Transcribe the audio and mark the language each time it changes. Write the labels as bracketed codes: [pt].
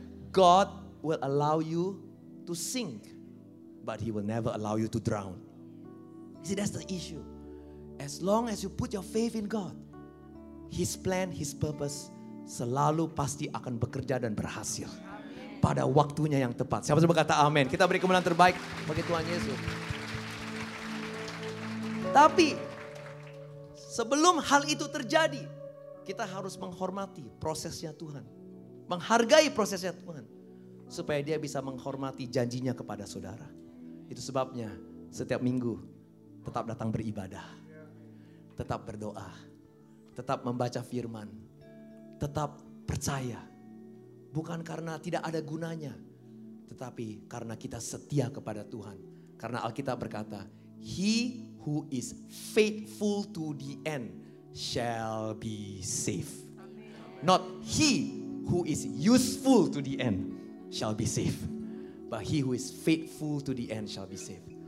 [en] God will allow you to sink, but he will never allow you to drown. You see, that's the issue. As long as you put your faith in God, his plan, his purpose [id] selalu pasti akan bekerja dan berhasil. Pada waktunya yang tepat. Siapa yang berkata amin? Kita beri kemuliaan terbaik bagi Tuhan Yesus. Tapi sebelum hal itu terjadi, kita harus menghormati prosesnya Tuhan. Menghargai prosesnya Tuhan. Supaya dia bisa menghormati janjinya kepada saudara. Itu sebabnya setiap minggu tetap datang beribadah. Tetap berdoa. Tetap membaca firman. Tetap percaya. Bukan karena tidak ada gunanya, tetapi karena kita setia kepada Tuhan. Karena Alkitab berkata, [en] He who is faithful to the end shall be safe. Not he who is useful to the end shall be safe, but he who is faithful to the end shall be safe.